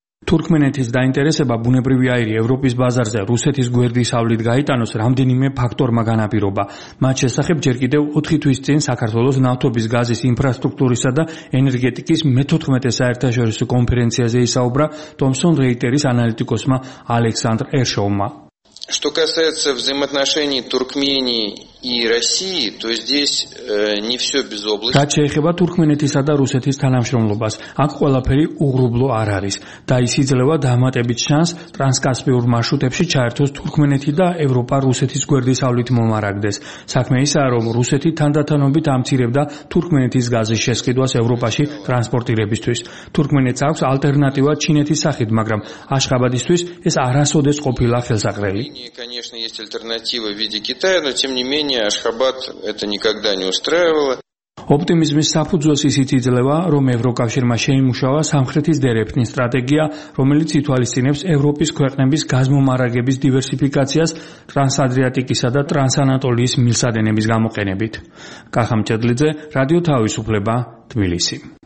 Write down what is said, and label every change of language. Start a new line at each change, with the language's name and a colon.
Georgian: თურქმენეთის დაინტერესება ბუნებრივი აირი ევროპის ბაზარზე რუსეთის გვერდისავლით გაიტანოს რამდენიმე ფაქტორმა განაპირობა. მათ შესახებ ჯერ კიდევ 4 თვის წინ საქართველოს ნავთობის გაზის ინფრასტრუქტურისა და ენერგეტიკის 14 საერთაშორისო კონფერენციაზე ისაუბრა ტომსონ რეიტერის ანალიტიკოსმა ალექსანდრ ერშოვმა.
Russian: Что касается взаимоотношений Туркмении и России, то здесь не всё безоблачно.
Georgian: Так შეიძლება თურქმენეთისა და რუსეთის თანამშრომლობას. აქ ყველაფერი უღრუბლო არ არის და ის იძლევა დამატებით შანს ტრანსკასპიურ მარშრუტებში ჩაერთოს თურქმენეთი და ევროპა რუსეთის გვერდისავლით მომარაგდეს. საქმე ისაა, რომ რუსეთი თანდათანობით ამცირებდა თურქმენეთის გაზის შესყიდვას ევროპაში ტრანსპორტირებისთვის. თურქმენეთს აქვს ალტერნატივა ჩინეთის სახით, მაგრამ აშხაბადისთვის ეს არასოდეს ყოფილა ხელსაყრელი.
Russian: Мне, конечно, есть альтернатива в виде Китая, но тем не менее Ашхабад это никогда не устраивало.
Georgian: Оптимизмის საფუძველს ისიც იძლევა, რომ ევროკავშირმა შეიმუშავა სამხრეთის დერეფნის სტრატეგია, რომელიც ითვალისწინებს ევროპის ქვეყნების გაზმომარაგების დივერსიფიკაციას ტრანსადრიატიკისა და ტრანსანატოლიის მილსადენების გამოყენებით. კახამ ჭედლიძე, რადიო თავისუფლება, თბილისი.